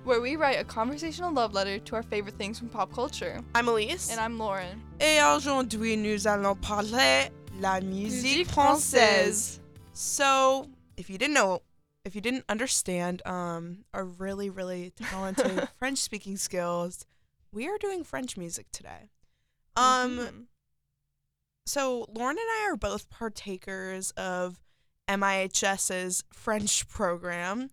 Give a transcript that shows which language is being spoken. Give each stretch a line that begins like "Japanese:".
English: where we write a conversational love letter to our favorite things from pop culture. I'm Elise. And I'm Lauren.
French: Et aujourd'hui, nous allons parler la musique française.
English: So, if you didn't understand our really, really talented French speaking skills, we are doing French music today. So, Lauren and I are both partakers of MIHS's French program.